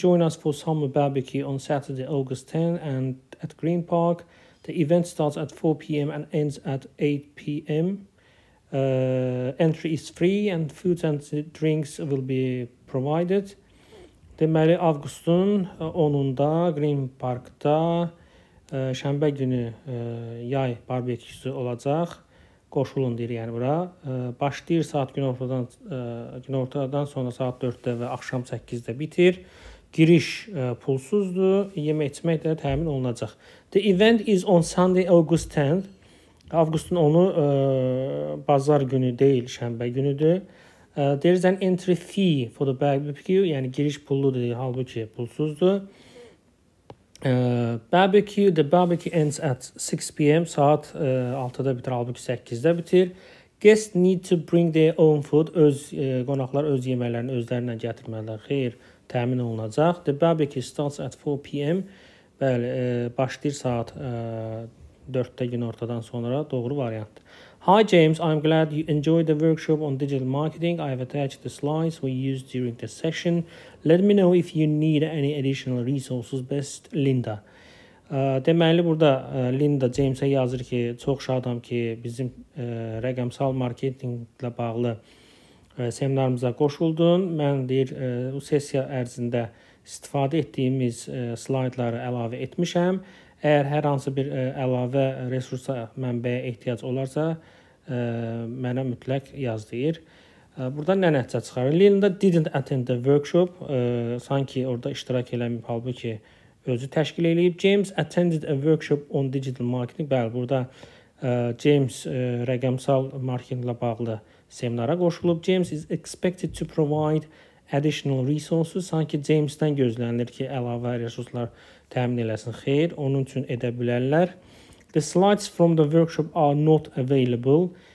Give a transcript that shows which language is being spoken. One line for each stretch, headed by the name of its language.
English: Join us for summer barbecue on Saturday, August 10 and at Green Park. The event starts at 4 p.m. and ends at 8 p.m. Entry is free and food and drinks will be provided.
Azerbaijani: Deməli, avqustun 10-unda Green Park'da Şənbə günü yay barbeküsü olacaq. Qoşulun deyir yəni bura. Başlayır saat günortadan sonra saat 4-də və axşam 8-də bitir. Giriş pulsuzdur. Yemək içmək də təmin olunacaq.
English: The event is on Sunday, August 10th.
Azerbaijani: Avqustun 10-u bazar günü deyil, şənbə günüdür.
English: There is an entry fee for the barbecue.
Azerbaijani: Yəni giriş pulludur, halbuki pulsuzdur.
English: The barbecue ends at 6 p.m.
Azerbaijani: Saat 6-da bitir, halbuki 8-də bitir.
English: Guests need to bring their own food.
Azerbaijani: Qonaqlar öz yeməklərini özlərinə gətirməlidir. Xeyr, təmin olunacaq.
English: The barbecue starts at 4 p.m.
Azerbaijani: Bəli, başlayır saat 4-də gün ortadan sonra. Doğru variantdır.
English: Hi James, I'm glad you enjoyed the workshop on digital marketing. I have attached the slides we used during the session. Let me know if you need any additional resources. Best, Linda.
Azerbaijani: Deməli, burada Linda James'e yazır ki, çox şadam ki, bizim rəqəmsal marketinglə bağlı seminarımıza qoşuldun. Mən deyir, bu sesiya ərzində istifadə etdiyimiz slaytları əlavə etmişəm. Əgər hər hansı bir əlavə resursa mənbəyə ehtiyac olarsa, mənə mütləq yaz deyir. Burada nə nəticə çıxarır?
English: Linda didn't attend the workshop.
Azerbaijani: Sanki orada iştirak eləmiyib, halbuki özü təşkil eləyib.
English: James attended a workshop on digital marketing.
Azerbaijani: Bəli, burada James rəqəmsal marketinglə bağlı seminara qoşulub.
English: James is expected to provide additional resources.
Azerbaijani: Sanki James-dən gözlənilir ki, əlavə resurslar təmin eləsin. Xeyr, onun üçün edə bilərlər.
English: The slides from the workshop are not available.